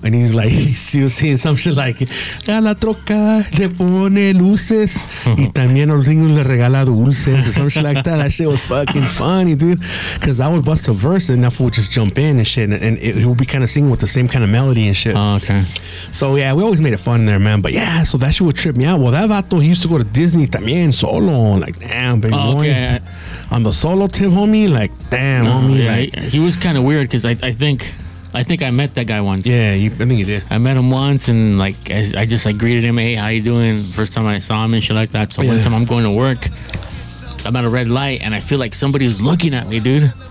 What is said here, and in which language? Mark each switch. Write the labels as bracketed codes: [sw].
[en] And he's like, he was saying some shit like, [es] a la troca le pone luces y también el niño le regala dulces [en] or some shit like that. That shit was fucking funny, dude. Because I would bust a verse and that fool just jump in and shit, and it, he would be kind of singing with the same kind of melody and shit. So yeah, we always made it fun in there, man. But yeah, so that shit would trip me out. Well, that vato, he used to go to Disney [es] también solo. [en] Like, damn, baby boy. On the solo tip, homie. Like, damn, homie. Yeah, like, he was kind of weird because I think I met that guy once. Yeah, I think you did. I met him once and like I just like greeted him. Hey, how you doing? First time I saw him and shit like that. So yeah. One time I'm going to work, I'm at a red light and I feel like somebody was looking at me, dude.